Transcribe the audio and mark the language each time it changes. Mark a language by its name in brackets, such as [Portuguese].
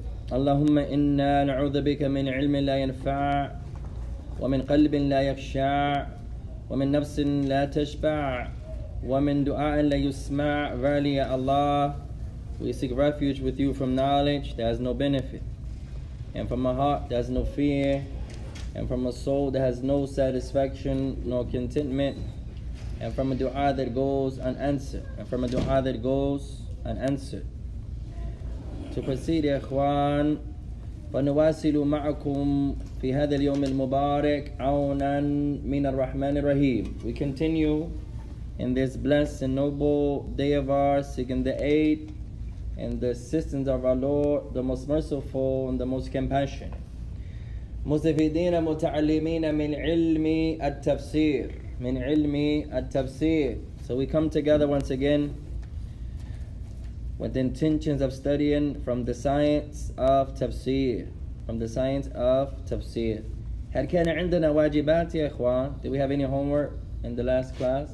[Arabic] Allahumma inna na'udhu bika min ilmin la yanfa' ومن قلب لا يخشع ومن نفس لا تشبع ومن دعاء لا يسمع [English] Verily, Ya Allah, we seek refuge with you from knowledge that has no benefit, and from a heart that has no fear, and from a soul that has no satisfaction nor contentment, and from a dua that goes unanswered, and from a dua that goes unanswered. To proceed, Ya Ikhwan, [Arabic] فنواصل معكم في هذا اليوم المبارك عونا من الرحمن الرحيم. [English] We continue in this blessed and noble day of ours, seeking the aid and the assistance of our Lord, the most merciful and the most compassionate. [Arabic] مستفيدين متعلمين من علم التفسير من علم التفسير. [English] So we come together once again with the intentions of studying from the science of tafsir. From the science of tafsir. [Arabic] هل كان عندنا واجبات يا إخوان? [English] Did we have any homework in the last class?